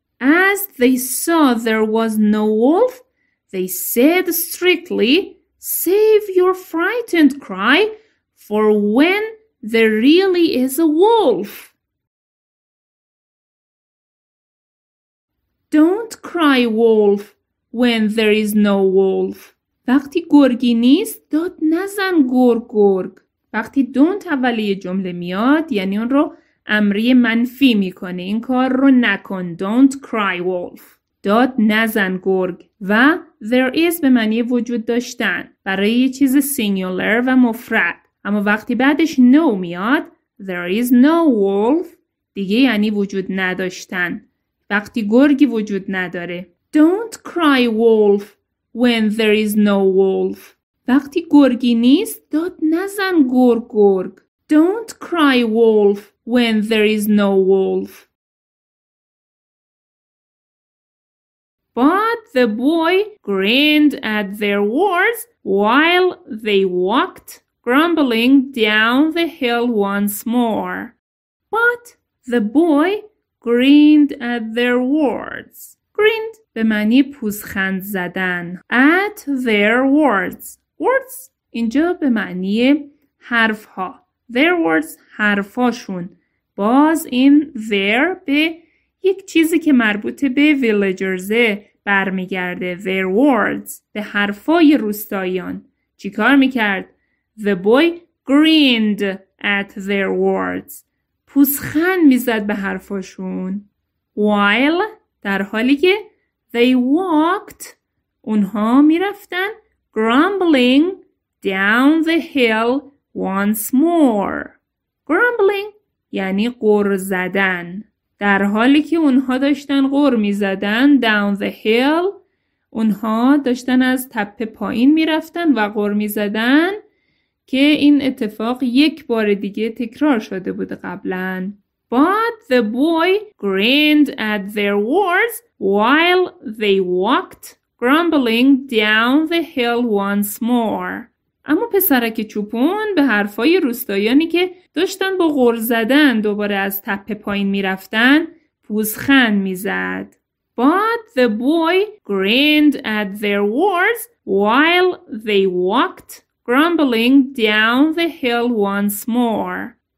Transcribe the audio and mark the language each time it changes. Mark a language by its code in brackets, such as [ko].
[en] As they saw there was no wolf, they said strictly, save your frightened cry for when there really is a wolf. Don't cry wolf when there is no wolf. [fa] وقتی گرگی نیست, داد نزن گرگ گرگ. وقتی don't اولی جمله میاد, یعنی اون رو امری منفی میکنه. این کار رو نکن. [en] Don't cry wolf. [fa] داد نزن گرگ. و there is به معنی وجود داشتن. برای یه چیز singular و مفرد. اما وقتی بعدش no میاد, [en] there is no wolf, [fa] دیگه یعنی وجود نداشتن. وقتی گرگی وجود نداره. [en] Don't cry wolf when there is no wolf. [fa] وقتی گرگی نیست, داد نزن گرگ گرگ. [en] Don't cry wolf when there is no wolf. But the boy grinned at their words while they walked grumbling down the hill once more. But the boy grinned at their words. [fa] Grinned به معنی پوزخند زدن. [en] At their words. [fa] Words اینجا به معنی حرف ها. [en] Their words, [fa] حرفاشون. باز این their به یک چیزی که مربوط به villagers برمیگرده. [en] Their words, [fa] به حرفای روستاییان. چی کار میکرد؟ [en] The boy grinned at their words. [fa] پوزخند میزد به حرفاشون. [en] While, [fa] در حالی که [en] they walked, [fa] اونها می رفتن [en] grumbling down the hill once more. [fa] Grumbling یعنی غر زدن. در حالی که اونها داشتن غر می زدن [en] down the hill, [fa] اونها داشتن از تپه پایین می رفتن و غر می زدن, که این اتفاق یک بار دیگه تکرار شده بود قبلن. [en] But the boy grinned at their words while they walked grumbling down the hill once more. [fa] اما پسرک چوپان به حرفای روستایانی که داشتن با غر زدن دوباره از تپه پایین می رفتن پوزخند می زد. [en] But the boy grinned at their words while they walked grumbling down the hill once more.